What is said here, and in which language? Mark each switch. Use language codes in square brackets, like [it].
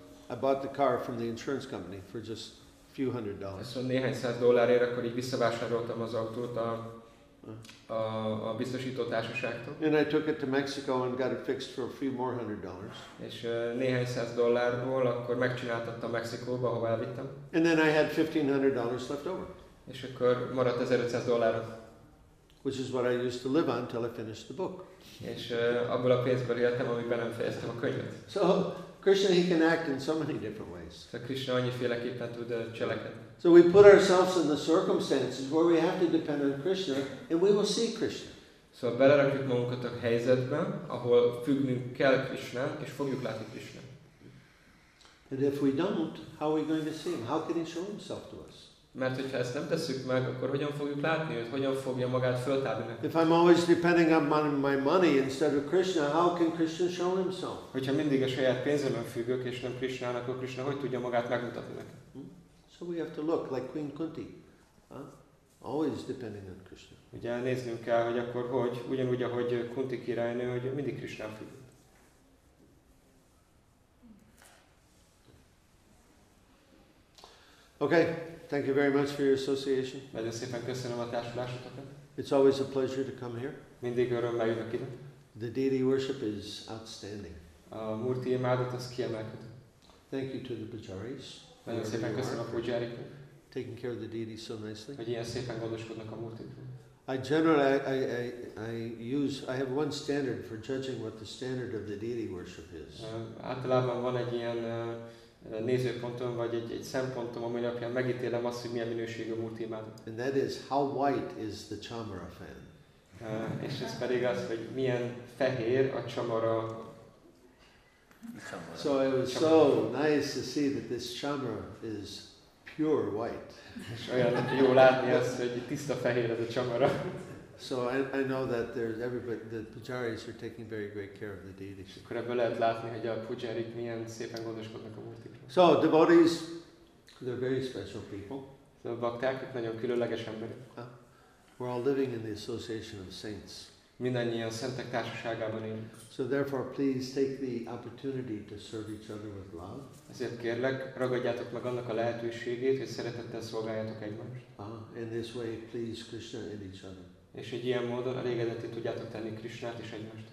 [en] I bought the car from the insurance company for just few hundred dollars. [hu] Szóval néhány száz dollárért akkor így visszavásároltam az autót a biztosító társaságtól. [en] And I took it to Mexico and got it fixed for a few more $100. [hu] És néhány száz dollárból akkor megcsináltattam Mexikóba, ahová elvittem. [en] And then I had $1,500 left over. [hu] És akkor maradt $1,500. [en] Which is what I used to live on till I finished the book. [hu] És abból a pénzből éltem, amiben nem fejeztem a könyvet. [en] So Krishna, he can act in so many different ways. [hu] So Krishna annyiféleképpen tud cselekedni. [en] So we put ourselves in the circumstances where we have to depend on Krishna, and we will see Krishna. [hu] So belerakjuk magunkat a helyzetben, ahol függnünk kell Krishna, és fogjuk látni Krishna. [en] And if we don't, how are we going to see him? How can he show himself to us? [hu] Mert hogyha ezt nem tesszük meg, akkor hogyan fogjuk látni őt? Hogyan fogja magát föltárni? [en] If I'm always depending on my money instead of Krishna, how can Krishna show himself? [hu] Hogyha mindig a saját pénzemben függök, és nem Krishnának, akkor Krishna hogy tudja magát megmutatni nekem? [en] So we have to look like Queen Kunti. Always depending on Krishna. [hu] Ugye néznünk kell, hogy akkor hogy, ugyanúgy, ahogy Kunti királynő, hogy mindig Krishna függ. [en] Okay. Thank you very much for your association. [hu] Nagyon szépen köszönöm a társulásotokat. [en] It's always a pleasure to come here. [hu] Mindig örömmel jövök ide. [en] The deity worship is outstanding. [hu] A murti imádat az kiemelkedő. [en] Thank you to the pujaris. [hu] Nagyon szépen köszönöm a pujarikat. [en] Taking care of the deity so nicely. [hu] Hogy ilyen szépen gondoskodnak a murtikról. [en] I have one standard for judging what the standard of the deity worship is. [hu] Általában van egy ilyen nézőpontom, vagy egy szempontom, ami alapján megítélem azt, hogy milyen minőségű múlti imádat. [en] And that is, how white is the chamara fan? [hu] És ez pedig az, hogy milyen fehér a chamara. [en] So it was so nice to see that this chamara is pure white. [hu] És olyan jó látni azt, hogy tiszta fehér ez a chamara. [en] So I know that there's everybody, the pujaris are taking very great care of the deity. [hu] Akkor ebből lehet látni, hogy a pujarik milyen szépen gondoskodnak a múltikról. [en] So devotees, they're very special people. [hu] So bakták, nagyon különleges emberek. [en] We're all living in the association of saints. [hu] Mindannyian szentek társaságában élünk. [en] So therefore, please take the opportunity to serve each other with love. [hu] Ezért kérlek, ragadjátok meg annak a lehetőségét, hogy szeretettel szolgáljatok egymást. [en] In this way, please Krishna and each other. [hu] És egy ilyen módon elégedetté tudjátok tenni Krishnát és egymást.